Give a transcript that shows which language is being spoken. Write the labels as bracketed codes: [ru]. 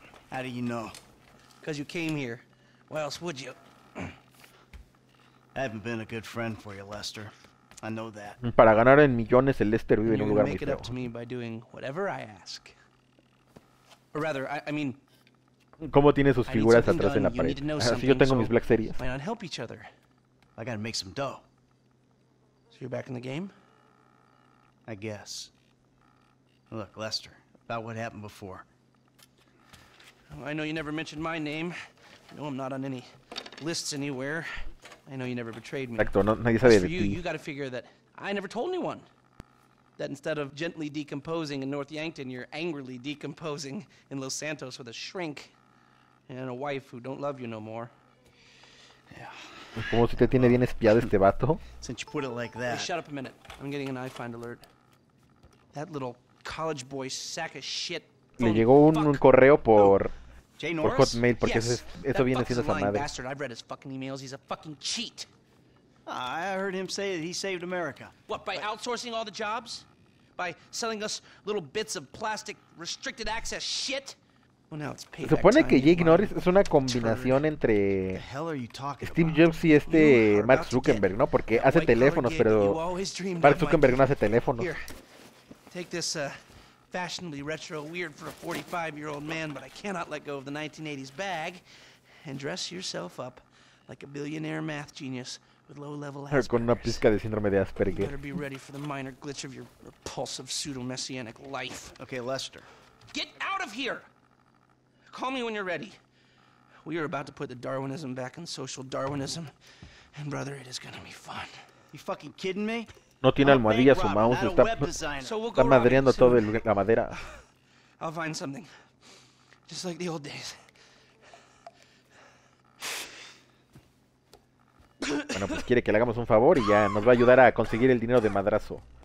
[en] How do you know? Because you came here. Why else would you? I haven't been a good friend for you, Lester. I know that. [es] Para ganar en millones, el Lester vive en un lugar muy feo. [en] You make it up to me by doing whatever I ask. Or rather, I mean. [es] ¿Cómo tiene sus figuras atrás en la pared? Así yo tengo mis Black Series. [en] Why not help each other? I gotta make some dough. So you're back in the game? I guess. Look, Lester, about what happened before. I know you never mentioned my name. I know I'm not on any lists anywhere. I know you never betrayed me. [es] Exacto, no, nadie sabe de ti. [en] For you gotta figure that I never told anyone. That instead of gently decomposing in North Yankton, you're angrily decomposing in Los Santos with a shrink and a wife who don't love you no more. Yeah. [es] Como si te tiene bien espiado este vato. [en] Since you put it like that. Hey, shut up a minute. I'm getting an iFind alert. That little college boy sack of shit. [es] Le llegó un correo por Hotmail, porque yes, eso viene siendo esa madre. [en] Bastard. I've read his fucking emails. He's a fucking cheat. I heard him say that he saved America. What, by outsourcing all the jobs? By selling us little bits of plastic restricted access shit? Well, now it's payback. [es] Supone time que Jake Norris es una combinación entre Steve Jobs y este Mark Zuckerberg, ¿no? Porque hace teléfonos, pero Mark Zuckerberg no hace teléfonos. [en] Here, take this, fashionably retro weird for a 45-year-old man, but I cannot let go of the 1980s bag, and dress yourself up like a billionaire math genius with low-level Asperger's. [es] Con una pizca de síndrome de Asperger. [en] You better be ready for the minor glitch of your repulsive pseudo-messianic life. Okay, Lester. Get out of here! Call me when you're ready. We are about to put the Darwinism back in social Darwinism, and brother, it is gonna be fun. You fucking kidding me? [es] No tiene almohadilla su mouse, está madreando todo la madera. [en] I'll find something. Just like the old days. [es] Bueno, pues quiere que le hagamos un favor y ya nos va a ayudar a conseguir el dinero de madrazo.